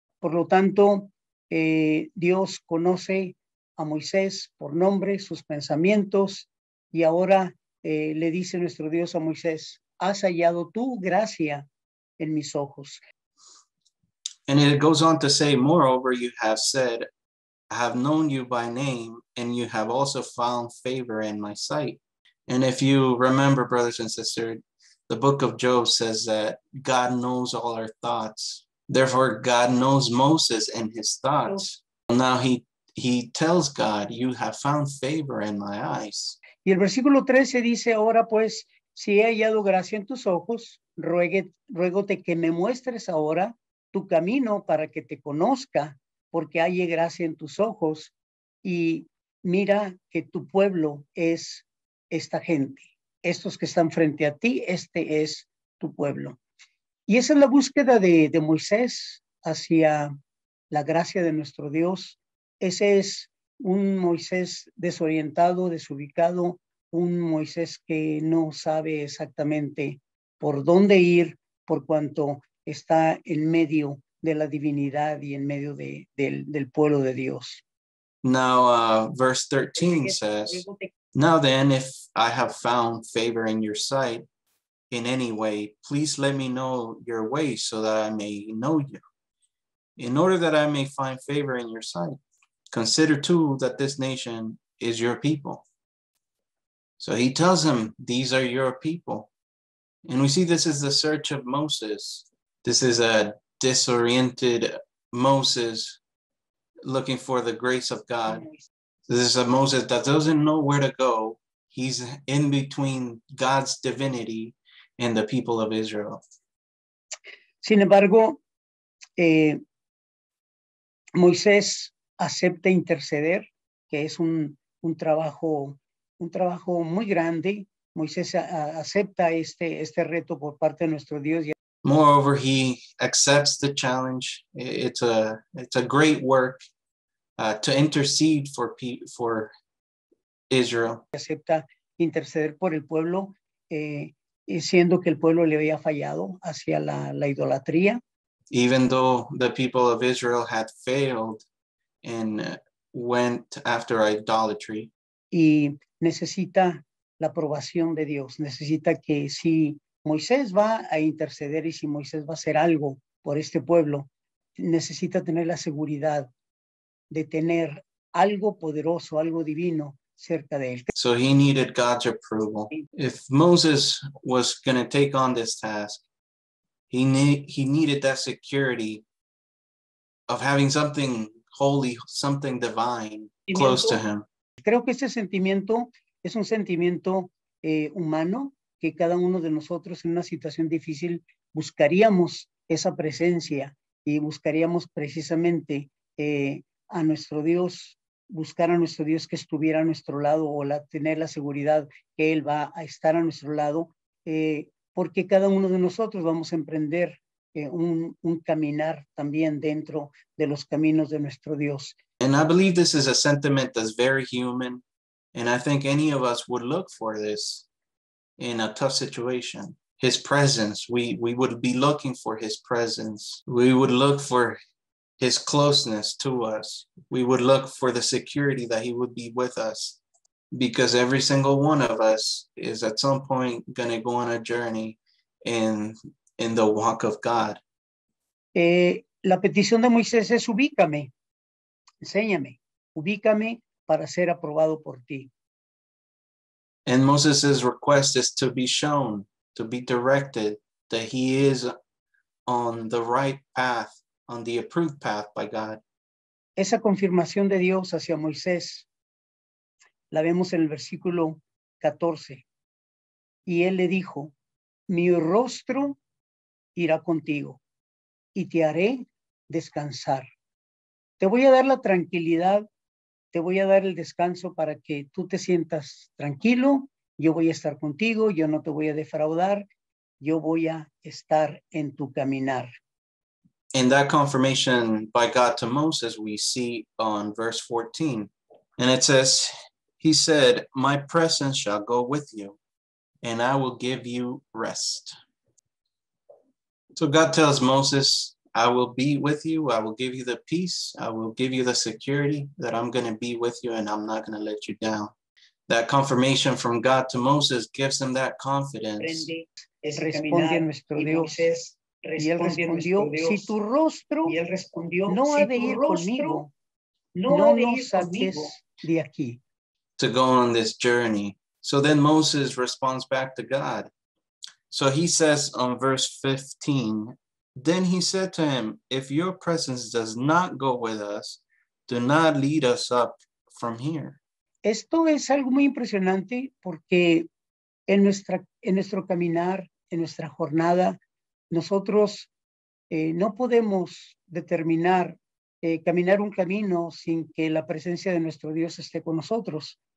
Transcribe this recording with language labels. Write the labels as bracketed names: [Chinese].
[Spanish] Por lo tanto, Dios conoce a Moisés por nombre, sus pensamientos, y ahora le dice nuestro Dios a Moisés, has hallado tu gracia en mis ojos. [English] And it goes on to say, moreover, you have said, I have known you by name, and you have also found favor in my sight. And if you remember, brothers and sisters, the book of Job says that God knows all our thoughts. Therefore, God knows Moses and his thoughts. Now he tells God, you have found favor in my eyes. [Spanish] Y el versículo 13 dice, ahora pues, si he hallado gracia en tus ojos, ruégote que me muestres ahora tu camino para que te conozca, porque hallé gracia en tus ojos, y mira que tu pueblo es esta gente. Estos que están frente a ti, este es tu pueblo. Y esa es la búsqueda de Moisés hacia la gracia de nuestro Dios. Ese es un Moisés desorientado, desubicado, un Moisés que no sabe exactamente por dónde ir, por cuanto está en medio de la divinidad y en medio del pueblo de Dios. [English] Now, verse 13 says, now then, if I have found favor in your sight in any way, please let me know your way so that I may know you. In order that I may find favor in your sight, consider too that this nation is your people. So he tells him, these are your people. And we see this is the search of Moses. This is a disoriented Moses looking for the grace of God. This is a Moses that doesn't know where to go. He's in between God's divinity and the people of Israel. [Spanish] Sin embargo, Moisés acepta interceder, que es un trabajo muy grande. Moisés acepta este reto por parte de nuestro Dios. [English] Moreover, he accepts the challenge. It's a great work to intercede for Israel. [Spanish] Acepta interceder por el pueblo, siendo que el pueblo le había fallado hacia la idolatría. [English] Even though the people of Israel had failed and went after idolatry. [Spanish] Y necesita la aprobación de Dios. Necesita que si Moisés va a interceder y si Moisés va a hacer algo por este pueblo, necesita tener la seguridad de tener algo poderoso, algo divino cerca de él. [English] So he needed God's approval. If Moses was going to take on this task, he needed that security of having something holy, something divine close to him. [Spanish] Creo que este sentimiento es un sentimiento humano, que cada uno de nosotros en una situación difícil buscaríamos esa presencia y buscaríamos precisamente a nuestro Dios, buscar a nuestro Dios que estuviera a nuestro lado o tener la seguridad que Él va a estar a nuestro lado, porque cada uno de nosotros vamos a emprender un caminar también dentro de los caminos de nuestro Dios. [English] And I believe this is a sentiment that's very human, and I think any of us would look for this in a tough situation. His presence, we would be looking for his presence. We would look for his closeness to us. We would look for the security that he would be with us, because every single one of us is at some point going to go on a journey in the walk of God. [Spanish] La petición de Moisés es ubícame, enséñame, ubícame para ser aprobado por ti. [English] And Moses' request is to be shown, to be directed, that he is on the right path, on the approved path by God. [Spanish] Esa confirmación de Dios hacia Moisés la vemos en el versículo 14. Y él le dijo, mi rostro irá contigo y te haré descansar. Te voy a dar la tranquilidad. Te voy a dar el descanso para que tú te sientas tranquilo. Yo voy a estar contigo. Yo no te voy a defraudar. Yo voy a estar en tu caminar. [English] In that confirmation by God to Moses, we see on verse 14. And it says, he said, my presence shall go with you, and I will give you rest. So God tells Moses, I will be with you. I will give you the peace. I will give you the security that I'm going to be with you and I'm not going to let you down. that confirmation from God to Moses gives him that confidence. [Spanish] Responde a nuestro Dios. Y él respondió, si tu rostro no ha de ir conmigo, no nos saques de aquí. [English] To go on this journey. So then Moses responds back to God. So he says on verse 15, then he said to him, if your presence does not go with us, do not lead us up from here. [Spanish] Esto es algo muy impresionante porque en nuestro caminar, en nuestra jornada, nosotros no podemos determinar caminar un camino sin que la presencia de nuestro Dios esté con nosotros.